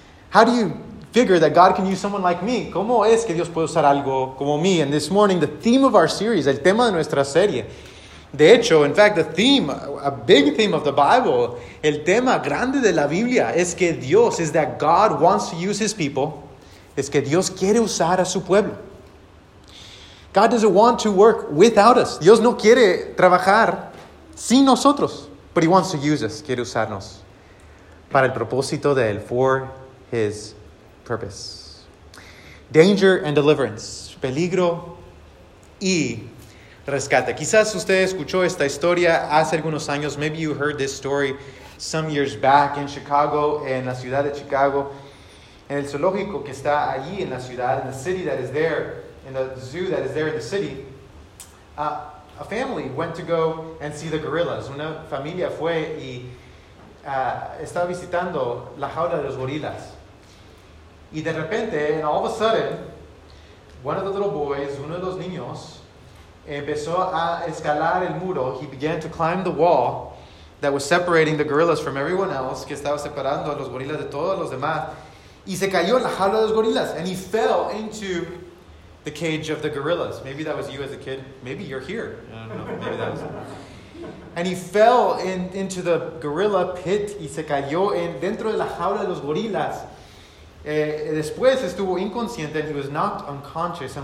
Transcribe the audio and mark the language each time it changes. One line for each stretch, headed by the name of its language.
English: How do you figure that God can use someone like me?
Spanish: ¿Cómo es que Dios puede usar algo como mí?
English: And this morning, the theme of our series,
Spanish: el tema de nuestra serie, de hecho,
English: in fact, the theme, a big theme of the Bible,
Spanish: el tema grande de la Biblia es que Dios,
English: is that God wants to use his people,
Spanish: es que Dios quiere usar a su pueblo.
English: God doesn't want to work without us.
Spanish: Dios no quiere trabajar sin nosotros,
English: but he wants to use us,
Spanish: quiere usarnos para el propósito de él,
English: for his purpose. Danger and deliverance,
Spanish: peligro y rescate. Quizás usted escuchó esta historia hace algunos años.
English: Maybe you heard this story some years back in Chicago,
Spanish: en la ciudad de Chicago, en el zoológico que está allí en la ciudad,
English: in the city that is there, in the zoo that is there in the city. A family went to go and see the gorillas.
Spanish: Una familia fue y estaba visitando la jaula de los gorilas. Y de repente,
English: and all of a sudden, one of the little boys,
Spanish: uno de los niños, empezó a escalar el muro.
English: He began to climb the wall that was separating the gorillas from everyone else,
Spanish: que estaba separando a los gorilas de todos los demás. Y se cayó en la jaula de los gorilas.
English: And he fell into the cage of the gorillas. Maybe that was you as a kid. Maybe you're here. I don't know. Maybe that was And he fell into the gorilla pit
Spanish: y se cayó dentro de la jaula de los gorilas. Después estuvo inconsciente,
English: and he was knocked unconscious.